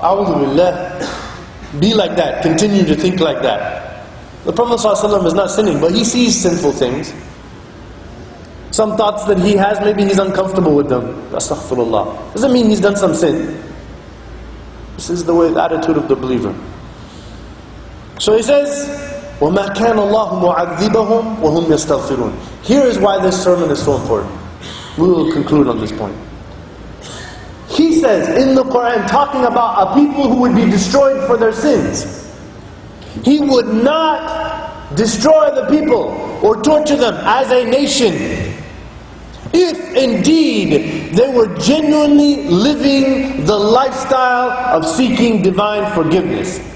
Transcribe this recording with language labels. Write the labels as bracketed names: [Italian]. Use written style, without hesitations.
[Arabic] أَعُوذُ بِاللَّهِ. [English] Be like that. Continue to think like that. The Prophet ﷺ is not sinning, but he sees sinful things. Some thoughts that he has, maybe he's uncomfortable with them. Astaghfirullah. Doesn't mean he's done some sin. This is the way, the attitude of the believer. So he says, [Arabic] وَمَا كَانَ اللَّهُ مُعَذِّبَهُمْ وَهُمْ يَسْتَغْفِرُونَ. [English] Here is why this sermon is so important. We will conclude on this point. He says in the Quran, talking about a people who would be destroyed for their sins, He would not destroy the people or torture them as a nation if indeed they were genuinely living the lifestyle of seeking divine forgiveness.